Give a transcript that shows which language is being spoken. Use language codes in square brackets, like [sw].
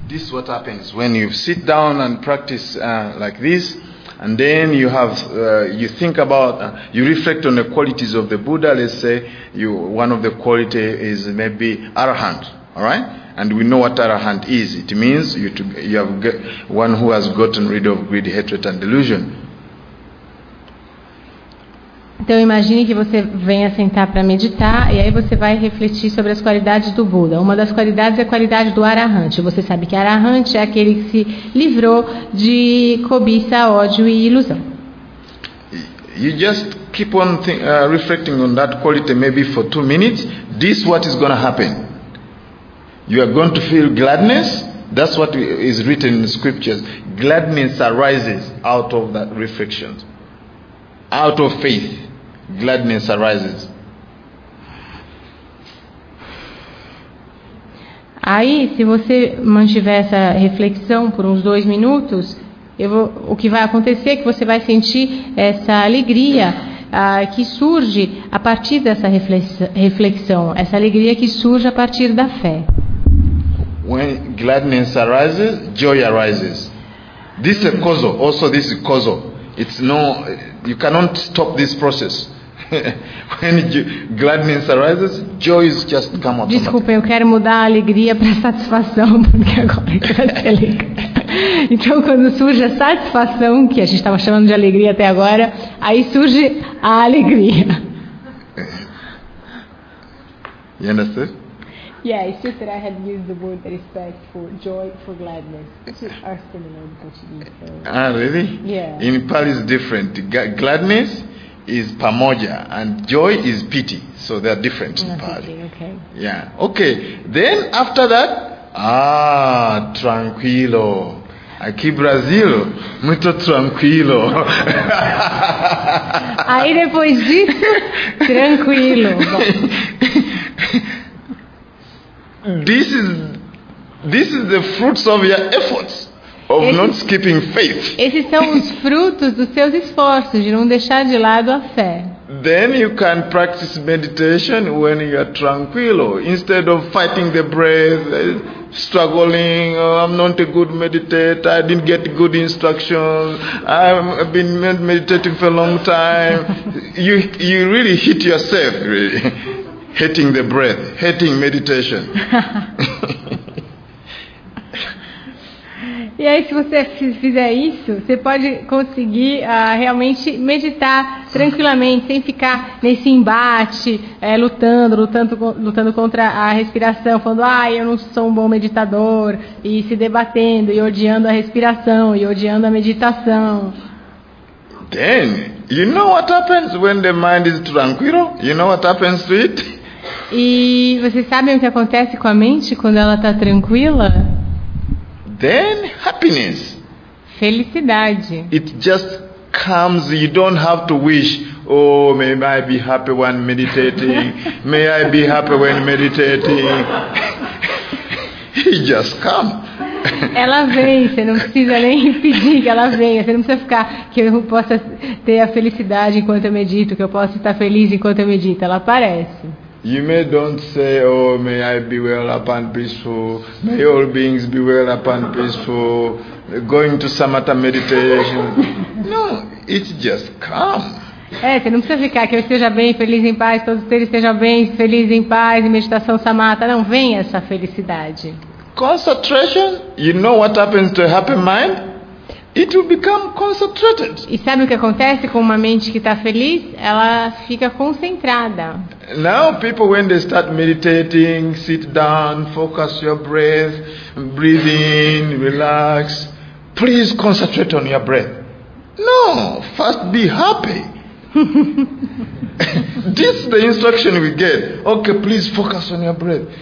[en] What happens when you sit down and practice like this, and then you have you think about you reflect on the qualities of the Buddha. Let's say you one of the quality is maybe arahant, all right? And we know what arahant is. It means you have one who has gotten rid of greed, hatred, and delusion. [pt] Então imagine que você venha sentar para meditar e aí você vai refletir sobre as qualidades do Buda. Uma das qualidades é a qualidade do arahante. Você sabe que arahante é aquele que se livrou de cobiça, ódio e ilusão. [en] You just keep on reflecting on that quality maybe for 2 minutes. This is what is going to happen. You are going to feel gladness. That's what is written in the scriptures. Gladness arises out of that reflection. Out of faith, gladness arises. [pt] Aí, se você mantiver essa reflexão por uns 2 minutos, o que vai acontecer é que você vai sentir essa alegria que surge a partir dessa reflexão, essa alegria que surge a partir da fé. [en] When gladness arises, joy arises. This is causal. Also, this is causal. It's no, you cannot stop this process. When gladness arises, joy is just come out. [pt] Desculpa, eu quero mudar a alegria para satisfação, porque agora é alegria. Então, quando surge a satisfação, que a gente estava chamando de alegria até agora, aí surge a alegria. [en] You understand? Yeah, it's just that I have used the word respect for joy, for gladness. Are similar in Portuguese. Ah, really? Yeah. In Pali, it's different. Gladness is pamoja, and joy is pity. So they are different in Pali. Okay. Yeah. Okay. Then after that, tranquilo. [pt] Aqui Brasil, muito tranquilo. Aí depois disso, tranquilo. [en] This is the fruits of your efforts of not skipping faith. [pt] Esses são os frutos dos seus esforços de não deixar de lado a fé. [en] Then you can practice meditation when you are tranquilo, instead of fighting the breath, struggling. Oh, I'm not a good meditator. I didn't get good instructions. I've been meditating for a long time. You really hit yourself, really. Hating the breath, hating meditation. [pt] E aí, se você fizer isso, você pode conseguir realmente meditar tranquilamente, sem ficar nesse embate, lutando contra a respiração, falando, eu não sou um bom meditador, e se debatendo, e odiando a respiração, e odiando a meditação. [en] Then, you know what happens when the mind is tranquilo? You know what happens to it? [pt] E vocês sabem o que acontece com a mente quando ela está tranquila? [en] Then happiness. [pt] Felicidade. [en] It just comes. You don't have to wish. Oh, may I be happy when meditating? May I be happy when meditating? It just comes. [pt] Ela vem, você não precisa nem pedir que ela venha, você não precisa ficar que eu possa ter a felicidade enquanto eu medito, que eu possa estar feliz enquanto eu medito. Ela aparece. [en] You may don't say, oh, may I be well up and peaceful, may all beings be well up and peaceful, going to Samatha meditation. No, it's just calm. [pt] Você não precisa ficar que eu esteja bem, feliz, em paz, todos eles estejam bem, feliz, em paz, em meditação Samatha. Não, vem essa felicidade. [en] Concentration, you know what happens to a happy mind? It will become concentrated. [pt] E sabe o que acontece com uma mente que está feliz? Ela fica concentrada. [en] Now people, when they start meditating, sit down, focus your breath, breathe in, relax. Please concentrate on your breath. No, first be happy. This is the instruction we get. Okay, please focus on your breath.